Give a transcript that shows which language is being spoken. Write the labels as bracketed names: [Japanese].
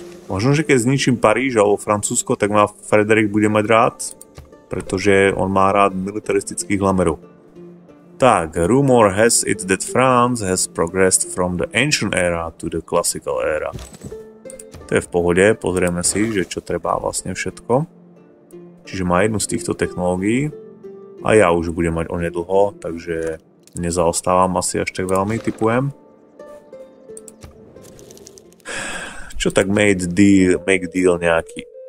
[Slovak] Možno, že keď zničím Paríž alebo Francúzsko, tak ma Frederik bude mať rád, pretože on má rád militaristických glamerov. Tak, [English] rumor has it that France has progressed from the ancient era to the classical era. [Slovak] To je v pohode, pozrieme si, že čo treba vlastne všetko. Čiže má jednu z týchto technológií a ja už budem mať onedlho, takže nezaostávam asi až tak veľmi, typujem. Čo tak [English] make deal [Slovak] nejaký?